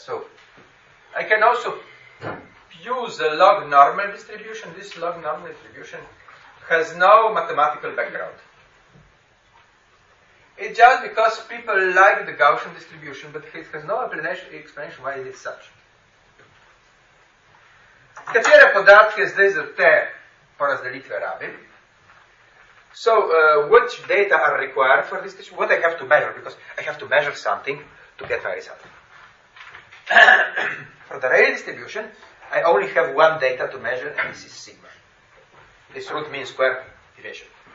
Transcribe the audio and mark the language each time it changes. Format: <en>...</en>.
<en>So, I can also use a log normal distribution. This log normal distribution has no mathematical background. It's just because people like the Gaussian distribution, but it has no explanation why it is such.</en> <sl>Katere podatke zdaj za te porazdelitve rabim?</sl> <en>So, which data are required for this? What I have to measure, because I have to measure something to get my result. For the Rayleigh distribution, I only have one data to measure, and this is sigma. This root mean square deviation.</en>